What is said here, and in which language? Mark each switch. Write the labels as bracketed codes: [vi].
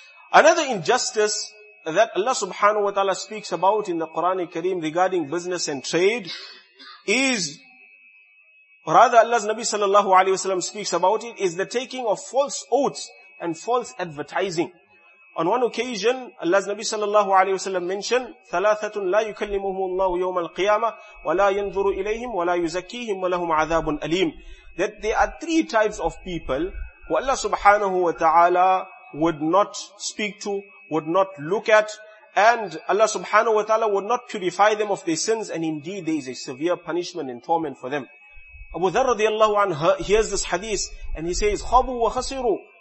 [en] Another injustice that Allah subhanahu wa ta'ala speaks about in the Quran Kareem regarding business and trade is, rather, Allah's Nabi sallallahu alayhi wa sallam speaks about it, is the taking of false oaths and false advertising. On one occasion, Allah's Nabi sallallahu alayhi wa sallam mentioned, [ar] ثَلَاثَةٌ لَا يُكَلِّمُهُمُ اللَّهُ يَوْمَ الْقِيَامَةِ وَلَا يَنْظُرُ إِلَيْهِمْ وَلَا يُزَكِّيهِمْ وَلَهُمْ عَذَابٌ أَلِيمٌ. [en] That there are 3 types of people who Allah subhanahu wa ta'ala would not speak to, would not look at, and Allah subhanahu wa ta'ala would not purify them of their sins, and indeed there is a severe punishment and torment for them. Abu Dharr radiallahu anhu hears this hadith and he says, [ar] Khabu wa khasiru.